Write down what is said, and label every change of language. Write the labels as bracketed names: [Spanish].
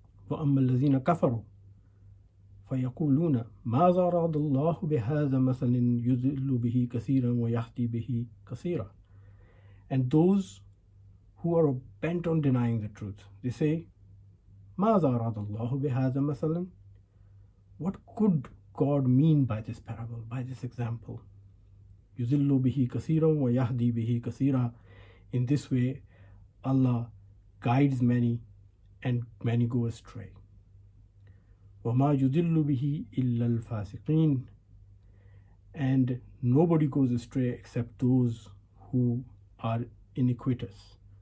[Arabic] وَأَمَّا الَّذِينَ كَفَرُوا فَيَقُولُونَ مَاذَا أَرَادَ اللَّهُ بِهَذَا مَثَلٍ يُذِلُّ بِهِ كَثِيرًا وَيَهْدِي بِهِ كَثِيرًا. [English] And those who are bent on denying the truth, they say, [Arabic] مَاذَا أَرَادَ اللَّهُ بِهَذَا مَثَلٍ. [English] What could God mean by this parable, by this example? [Arabic] يُذِلُّ بِهِ كَثِيرًا وَيَهْدِي بِهِ كَثِيرًا. [English] In this way, Allah guides many, and many go astray. [Arabic] وَمَا يُذِلُّ بِهِ إِلَّا الْفَاسِقِينَ. [English] And nobody goes astray except those who are iniquitous.